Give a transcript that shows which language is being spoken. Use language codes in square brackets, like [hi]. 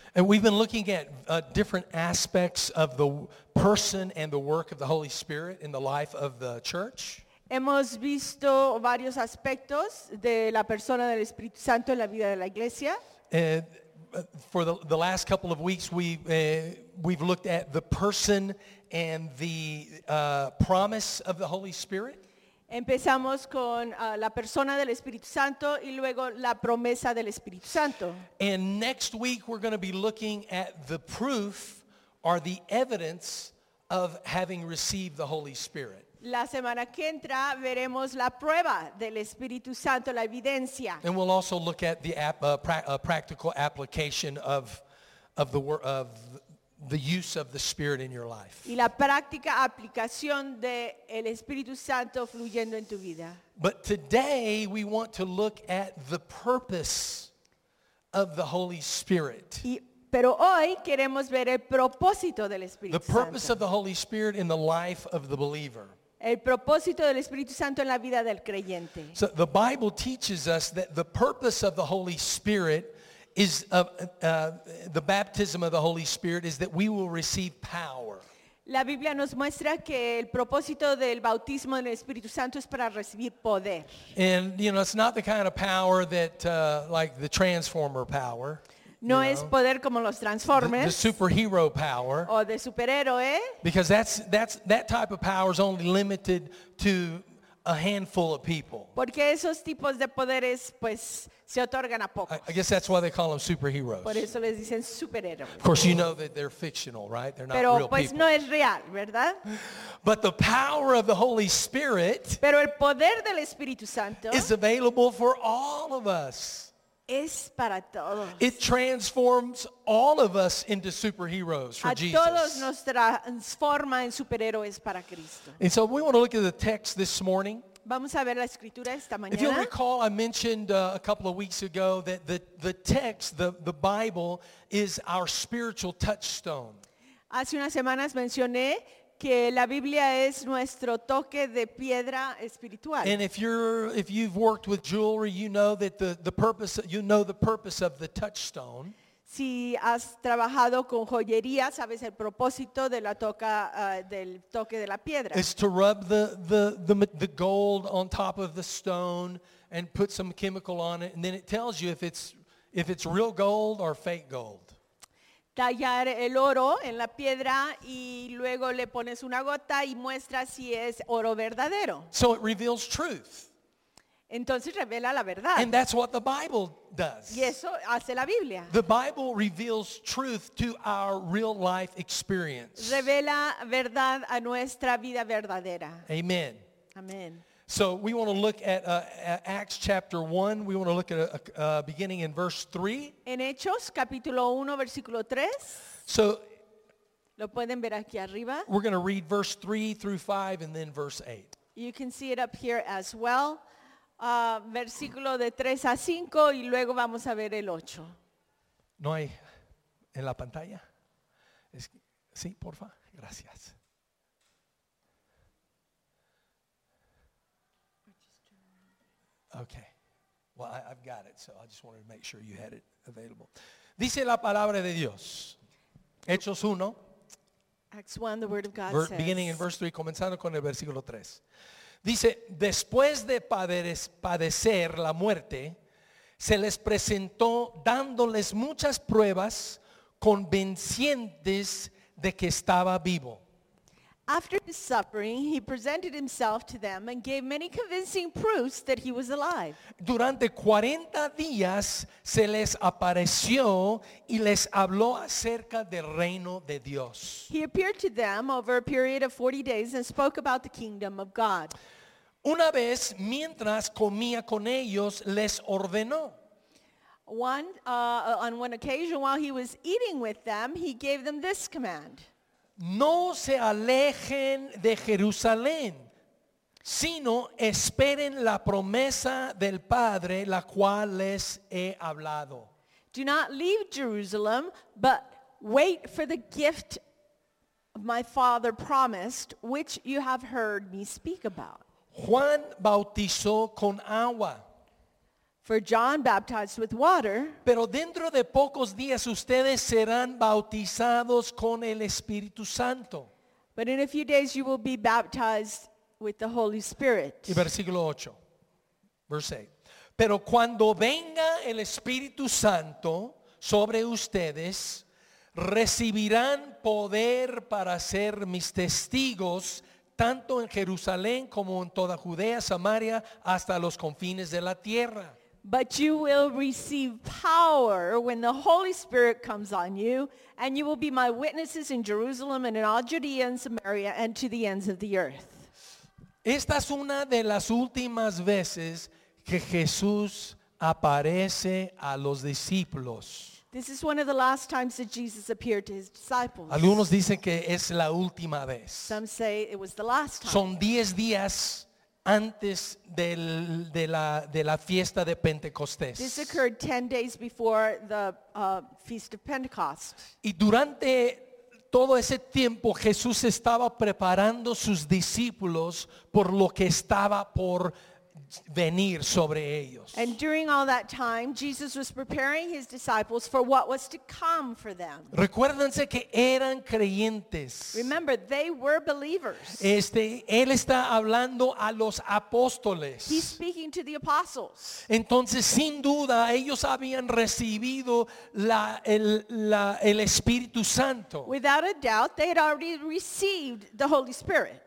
[en] And we've been looking at different aspects of the person and the work of the Holy Spirit in the life of the church. [es] Hemos visto varios aspectos de la persona del Espíritu Santo en la vida de la iglesia. [en] And for the last couple of weeks we've looked at the person and the promise of the Holy Spirit. [es] Empezamos con la persona del Espíritu Santo y luego la promesa del Espíritu Santo. [en] And next week we're going to be looking at the proof or the evidence of having received the Holy Spirit. [es] La semana que entra veremos la prueba del Espíritu Santo, la evidencia. [en] And we'll also look at the practical application of the use of the Spirit in your life. [es] Y la práctica aplicación de el Espíritu Santo fluyendo en tu vida. [en] But today we want to look at the purpose of the Holy Spirit. [es] Pero hoy queremos ver el propósito del Espíritu Santo. [en] The purpose of the Holy Spirit in the life of the believer. [es] El propósito del Espíritu Santo en la vida del creyente. [en] So the Bible teaches us that the purpose of the Holy Spirit is the baptism of the Holy Spirit is that we will receive power. [es] La Biblia nos muestra que el propósito del bautismo del Espíritu Santo es para recibir poder. [en] And you know, it's not the kind of power that like the transformer power. [es] No es poder como los Transformers. [en] The superhero power. [es] O de superhéroe. [en] Because that's that type of power is only limited to a handful of people. [es] Porque esos tipos de poderes, pues, se otorgan a pocos. [en] I guess that's why they call them superheroes. [es] Por eso les dicen superhéroes. [en] Of course, you know that they're fictional, right? They're not [es] Pero, [en] real [es] pues, [en] people. [es] Pero pues no es real, ¿verdad? [en] But the power of the Holy Spirit. [es] Pero el poder del Espíritu Santo [en] is available for all of us. [es] Es para todos. [en] It transforms all of us into superheroes for a Jesus. [es] A todos nos transforma en superhéroes para Cristo. [en] And so we want to look at the text this morning. [es] Vamos a ver la escritura esta mañana. [en] If you'll recall, I mentioned a couple of weeks ago that the text, the Bible, is our spiritual touchstone. [es] Hace unas semanas mencioné que la Biblia es nuestro toque de piedra espiritual. [en] And if you've worked with jewelry, you know that the purpose of the touchstone. [es] Si has trabajado con joyería, sabes el propósito de la toca del toque de la piedra. [en] Is to rub the gold on top of the stone and put some chemical on it, and then it tells you if it's real gold or fake gold. [es] Tallar el oro en la piedra y luego le pones una gota y muestra si es oro verdadero. [en] So it reveals truth. [es] Entonces revela la verdad. [en] And that's what the Bible does. [es] Y eso hace la Biblia. [en] The Bible reveals truth to our real life experience. [es] Revela verdad a nuestra vida verdadera. [en] Amen. [es] Amen. [en] So we want to look at Acts chapter 1. We want to look at beginning in verse 3. [es] En Hechos, capítulo 1, versículo 3. [en] So, [es] lo pueden ver aquí arriba. [en] We're going to read verse 3 through 5 and then verse 8. You can see it up here as well. [es] Versículo de 3 a 5 y luego vamos a ver el 8. ¿No hay en la pantalla? Sí, porfa. Gracias. [en] Okay, well, I've got it, so I just wanted to make sure you had it available. [es] Dice la palabra de Dios. Hechos 1. [en] Acts 1, the word of God says. Beginning in verse 3, [es] comenzando con el versículo 3. Dice, después de padecer la muerte, se les presentó dándoles muchas pruebas convincentes de que estaba vivo. [en] After his suffering, he presented himself to them and gave many convincing proofs that he was alive. [es] Durante 40 días se les apareció y les habló acerca del reino de Dios. [en] He appeared to them over a period of 40 days and spoke about the kingdom of God. [es] Una vez, mientras comía con ellos, les ordenó. [en] On one occasion, while he was eating with them, he gave them this command. [es] No se alejen de Jerusalén, sino esperen la promesa del Padre, la cual les he hablado. [en] Do not leave Jerusalem, but wait for the gift of my Father promised, which you have heard me speak about. [es] Juan bautizó con agua. [en] For John baptized with water. [es] Pero dentro de pocos días ustedes serán bautizados con el Espíritu Santo. [en] But in a few days you will be baptized with the Holy Spirit. [es] Y versículo 8. [en] Verse 8. [es] Pero cuando venga el Espíritu Santo sobre ustedes, recibirán poder para ser mis testigos tanto en Jerusalén como en toda Judea, Samaria, hasta los confines de la tierra. [en] But you will receive power when the Holy Spirit comes on you, and you will be my witnesses in Jerusalem and in all Judea and Samaria and to the ends of the earth. [es] Esta es una de las últimas veces que Jesús aparece a los discípulos. [en] This is one of the last times that Jesus appeared to his disciples. [es] Algunos dicen que es la última vez. [en] Some say it was the last time. [es] Son 10 días antes de la fiesta de Pentecostés. [en] This occurred 10 days before the Feast of Pentecost. [es] Y durante todo ese tiempo Jesús estaba preparando sus discípulos por lo que estaba por venir sobre ellos. [en] And during all that time, Jesus was preparing his disciples for what was to come for them. [es] Recuérdense que eran creyentes. [en] Remember, they were believers. [es] Él está hablando a los apóstoles. [en] He's speaking to the apostles. [es] Entonces, sin duda, ellos habían recibido el Espíritu Santo. [en] Without a doubt, they had already received the Holy Spirit.